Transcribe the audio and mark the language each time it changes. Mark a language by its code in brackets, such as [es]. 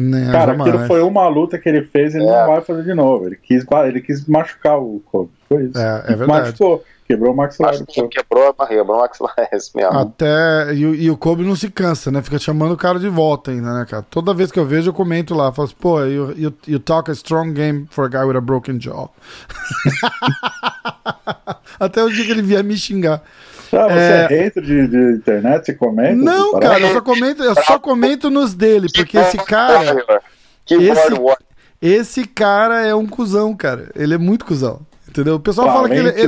[pt] Cara, aquilo foi uma luta que ele fez e não vai fazer de novo. Ele quis machucar o Colvin. Foi isso. É verdade. Machucou. Quebrou o maxilar. Quebrou o maxilar, esse mesmo. Até, e o Kobe não se cansa, né? Fica chamando o cara de volta ainda, né, cara? Toda vez que eu vejo, eu comento lá. Falo assim, pô, [en] you talk a strong game for a guy with a broken jaw. [pt] Até o dia que ele vier me xingar. Ah, você é hater de internet? Você comenta? Não, cara, eu só comento nos dele, porque esse cara... esse cara é um cuzão, cara. Ele é muito cuzão. Entendeu? O pessoal fala que ele é